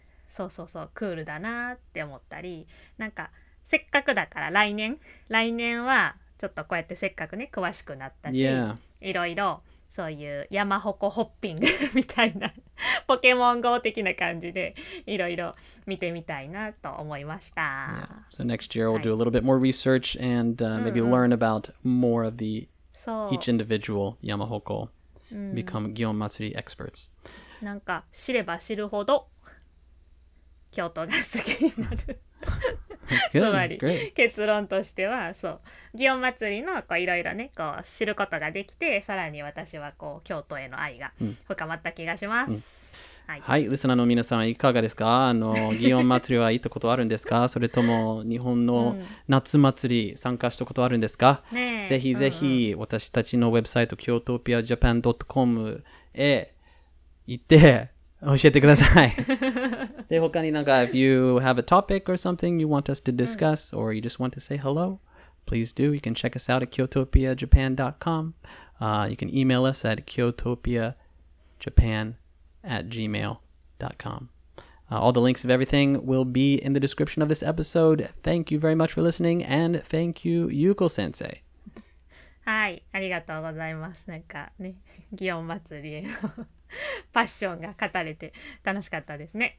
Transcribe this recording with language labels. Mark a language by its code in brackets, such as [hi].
[ja] そうそうそう、クールだなって思ったり、なんかせっかくだから来年はちょっとこうやってせっかくね詳しくなったし、 [en] yeah. [ja] いろいろそういう山鉾ホッピングみたいなポケモン GO 的な感じでいろいろ見てみたいなと思いました。 [en] Yeah. So next year we'll do a little bit more research and maybe learn about more of the each individual 山鉾 become Gion Matsuri experts. [ja] なんか知れば知るほど京都が好きになる。 [en] That's good. That's great. [ja] 結論としてはそう祇園祭りのこういろいろねこう知ることができてさらに私はこう京都への愛が深まった気がします、はい、はい、リスナーの皆さんいかがですか、あの祇園祭りは行ったことあるんですか、それとも日本の夏祭り参加したことあるんですか、ぜひぜひ私たちのウェブサイト kyotopiajapan.com へ行って教えてください。で、他になんか、 [en] if you have a topic or something you want us to discuss、or you just want to say hello, please do. You can check us out at kyotopiajapan.com.、you can email us at kyotopiajapan@gmail.com.、all the links of everything will be in the description of this episode. Thank you very much for listening, and thank you, Yuko-sensei. [ja] はい、ありがとうございます。なんかね、祇園祭りへの。パッションが語れて楽しかったですね。